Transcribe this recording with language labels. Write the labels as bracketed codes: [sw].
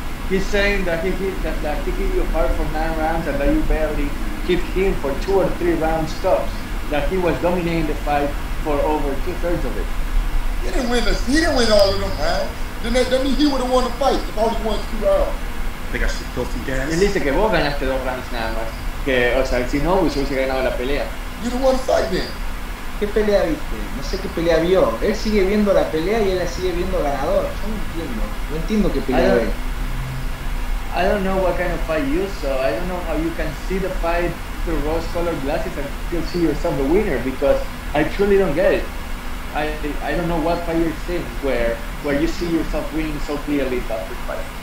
[en] He's saying that he hit you hard for 9 rounds and that you barely hit him for 2 or 3 round stops. That he was dominating the fight for over 2/3 of it. He didn't win all of them rounds. Then that means he would have won the fight if all he won 2 rounds. They got some filthy [es] gas. Él dice que vos ganaste 2 rounds nada más. Que, o sea, si no, hubiese ganado la pelea. [en] You don't want to fight then. [es] ¿Qué pelea viste? No sé qué pelea vio. Él sigue viendo la pelea y él la sigue viendo ganador. Yo no entiendo. No entiendo qué pelea ve. [en] I don't know what kind of fight you saw. I don't know how you can see the fight through rose-colored glasses and still see yourself the winner, because I truly don't get it. I don't know what fight you're seeing where you see yourself winning so clearly about this fight.